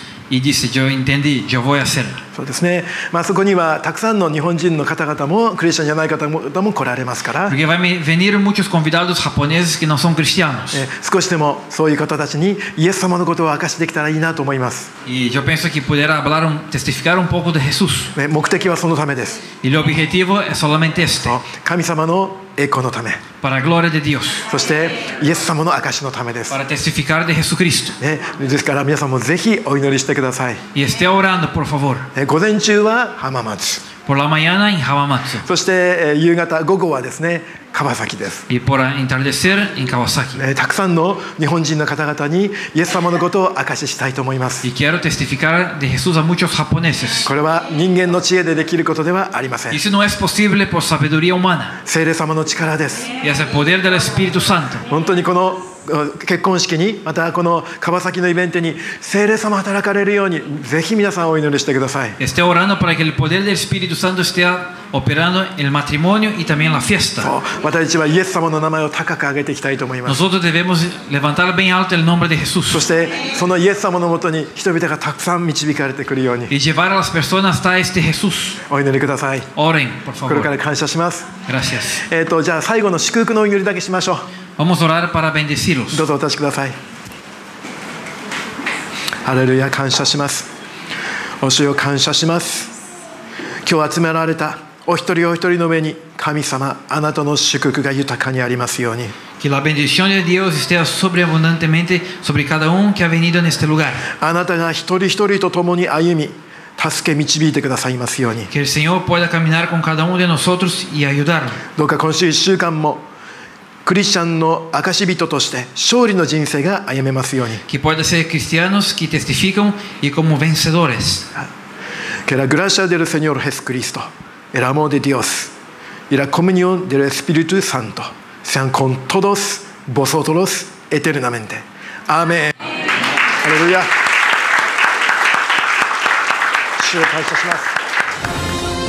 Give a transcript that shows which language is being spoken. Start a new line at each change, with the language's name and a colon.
Spanish: Y dice, yo entendí, yo voy a hacer.
Japanese: そうですね。まあ、そこにはたくさんの日本人の方々もクリスチャンじゃない方も来られますから。
Spanish: Porque van a venir muchos convidados japoneses que no son cristianos.
Japanese: 少しでもそういう方たちにイエス様のことを証しできたらいいなと思います。
Spanish: Y yo pienso que pudiera hablar, testificar un poco de Jesús.
Japanese: 目的はそのためです。
Spanish: Y el objetivo es solamente este.
Japanese: 神様の栄光のため。
Spanish: Para gloria de Dios.
Japanese: そしてイエス様の証のためです。
Spanish: Para testificar de Jesucristo.
Japanese: ね、ですから皆さんもぜひお祈りしてください。
Spanish: Y esté orando, por favor.
Japanese: 午前中は浜松。
Spanish: Por la mañana en 浜松。
Japanese: そして夕方、午後はですね、川崎です。
Spanish: Y por atardecer en 川崎。
Japanese: ね、たくさんの日本人の方々にイエス様のことを証ししたいと思います。
Spanish: Y quiero testificar de Jesús a muchos japoneses.
Japanese: これは人間の知恵でできることではありません。
Spanish: Y eso no es posible por sabiduría humana.
Japanese: 聖霊様の力です。
Spanish: Y es el poder del Espíritu Santo.
Japanese: 本当にこの結婚式に、またこの川崎のイベントに聖霊様働かれるようにぜひ皆さんお祈りしてください。
Spanish: Esté orando para que el poder del Espíritu Santo esté operando el matrimonio y también la fiesta.
Japanese: 私たちはイエス様の名前を高く上げていきたいと思います。
Spanish: Nosotros debemos levantar bien alto el nombre de Jesús.
Japanese: そしてそのイエス様のもとに人々がたくさん導かれてくるように。
Spanish: Y llevar a las personas a este Jesús.
Japanese: お祈りください。
Spanish: Oren, por favor.
Japanese: これから感謝します。
Spanish: Gracias.
Japanese: じゃあ最後の祝福のお祈りだけしましょう。
Spanish: Vamos a orar para bendeciros.
Japanese: どうぞお立ちください。ハレルヤ、感謝します。お主を感謝します。今日集められたお一人お一人の上に、神様、あなたの祝福が豊かにありますように。
Spanish: Que la bendición de Dios esté sobreabundantemente sobre cada un que ha venido en este lugar.
Japanese: あなたが一人一人と共に歩み、助け導いてくださいますように。
Spanish: Que el Señor pueda caminar con cada uno de nosotros y ayudar.
Japanese: どうか今週一週間もクリスチャンの証人として勝利の人生が歩めますように。
Spanish: Que pueda ser cristianos que testifican y como vencedores. Que la gracia del Señor Jesucristo, el amor de Dios y la comunión del Espíritu Santo sean con todos vosotros eternamente. Amén.
Japanese: Aleluya. 主を感謝します。